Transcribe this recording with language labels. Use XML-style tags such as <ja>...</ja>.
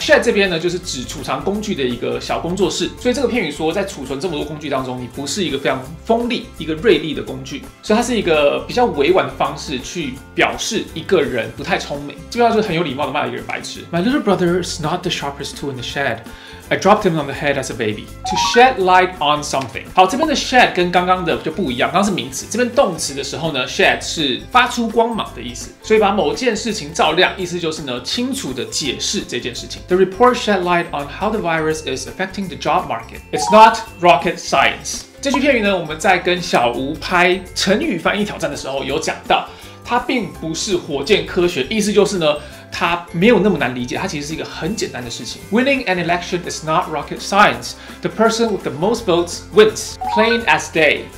<zh>Shed 这边呢就是指储藏工具的一个小工作，所以这个片语说，在储存这么多工具当中，你不是一个非常锋利、一个锐利的工具，所以它是一个比较委婉的方式去表示一个人不太聪明，基本上就是很有礼貌的骂一个人白痴。</zh> <en>My little brother is not the sharpest tool in the shed. I dropped him on the head as a baby to shed light on something.</en> <zh>好，这边的 shed 跟刚刚的就不一样，刚刚是名词，这边动词的时候呢 ，shed 是发出光芒的意思，所以把某件事情照亮，意思就是呢，清楚的解释这件事情。</zh> <en>The report shed light on how the virus is affecting the job market. It's not rocket science.</en> <zh>这句片语呢，我们在跟小吴拍成语翻译挑战的时候有讲到，它并不是火箭科学，意思就是呢，它没有那么难理解，它其实是一个很简单的事情。</zh> <en>Winning an election is not rocket science. The person with the most votes wins. Plain as day.</en>